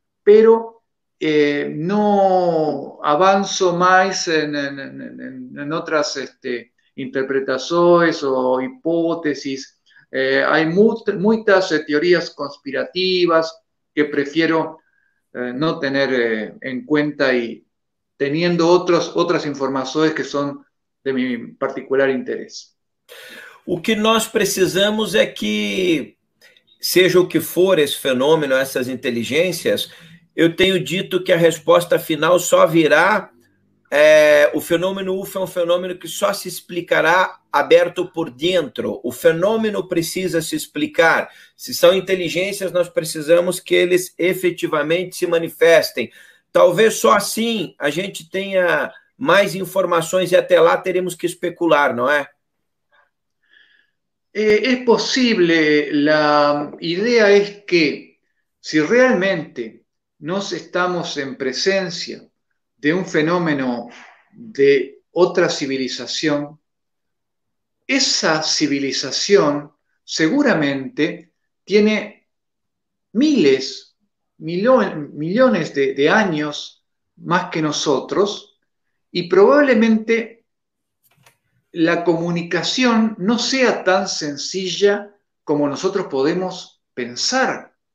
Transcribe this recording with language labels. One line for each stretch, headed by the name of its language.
Spanish: Pero no avanzo más en otras interpretaciones o hipótesis. Hay muchas teorías conspirativas que prefiero no tener en cuenta y teniendo otras informaciones que son de mi particular interés.
Portuguese: O que nós precisamos é que, seja o que for esse fenômeno, essas inteligências, eu tenho dito que a resposta final só virá. O fenômeno UFO é um fenômeno que só se explicará aberto por dentro. O fenômeno precisa se explicar. Se são inteligências, nós precisamos que eles efetivamente se manifestem. Talvez só assim a gente tenha mais informações e até lá teremos que especular, não é?
Spanish: Es posible, la idea es que si realmente nos estamos en presencia de un fenómeno de otra civilización, esa civilización seguramente tiene miles, millones de años más que nosotros y probablemente la comunicación no sea tan sencilla como nosotros podemos pensar.